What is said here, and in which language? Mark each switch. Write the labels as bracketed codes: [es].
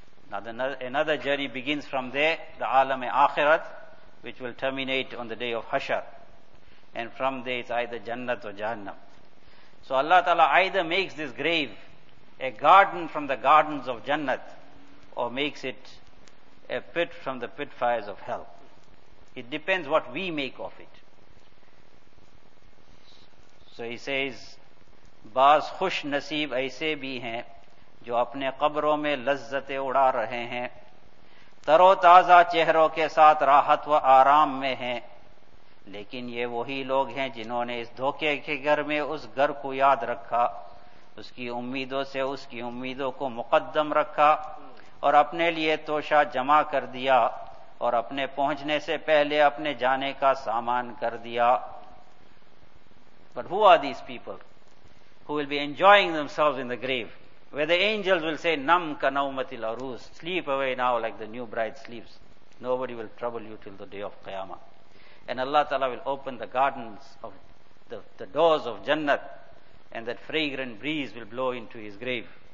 [en] Now another journey begins from there, the Alam-e-Akhirat, which will terminate on the day of Hashar. And from there it's either Jannat or Jahannam. So Allah Ta'ala either makes this grave a garden from the gardens of Jannat, or makes it a pit from the pit fires of hell. It depends what we make of it. So he says, [ur] Baz khush naseeb aise bhi hain, جو اپنے قبروں میں لذتیں اڑا رہے ہیں, ترو تازہ چہروں کے ساتھ راحت و آرام میں ہیں, لیکن یہ وہی لوگ ہیں جنہوں نے اس دھوکے کے گھر میں اس گھر کو یاد رکھا, اس کی امیدوں سے اس کی امیدوں کو مقدم رکھا, اور اپنے لیے توشہ جمع کر دیا, اور اپنے پہنچنے سے پہلے اپنے جانے کا سامان کر دیا. [en] But who are these people who will be enjoying themselves in the grave, where the angels will say, [ar] Nam ka naumatil arus, [en] sleep away now like the new bride sleeps. Nobody will trouble you till the day of Qiyamah. And Allah Ta'ala will open the gardens of the doors of Jannat, and that fragrant breeze will blow into his grave.